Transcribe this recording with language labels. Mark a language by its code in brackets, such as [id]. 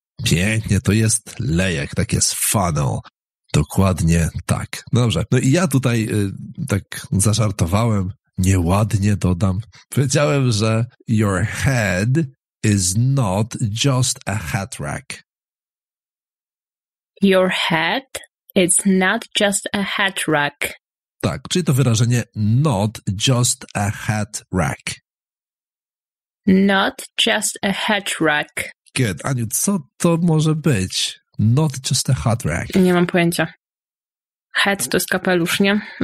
[pl] Pięknie, to jest lejek, tak jest funnel. Dokładnie tak. Dobrze, no i ja tutaj tak zażartowałem, nieładnie dodam. Powiedziałem, że [en] your head is not just a hat rack. Your head is not just a hat rack. [pl] Tak, czyli to wyrażenie [en] not just a hat rack. Not just a hat rack. Good. Aniu, [pl] co to może być? [en] Not just a hat rack. [pl] Nie mam pojęcia. Hat to jest kapelusz, nie?